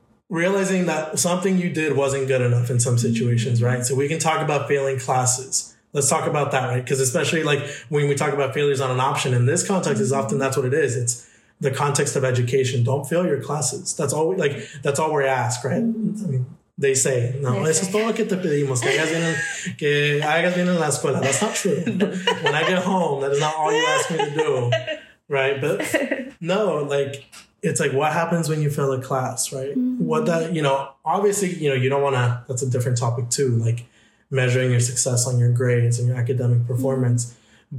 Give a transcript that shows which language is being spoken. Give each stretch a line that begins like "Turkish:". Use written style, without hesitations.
English: Realizing that something you did wasn't good enough in some situations, right? So we can talk about failing classes. Let's talk about that, right? Because especially like when we talk about failures on an option in this context, is often that's what it is. It's the context of education. Don't fail your classes. That's all that's all we ask, right? I mean, they say,
Spanish: no, eso es todo lo que te pedimos, que hagas bien en la escuela.
English: That's not true. When I get home, that is not all you ask me to do, right? But no, like, it's like, what happens when you fail a class, right? Mm-hmm. What that, you know, obviously, you know, you don't want to, that's a different topic too, like measuring your success on your grades and your academic performance. Mm-hmm.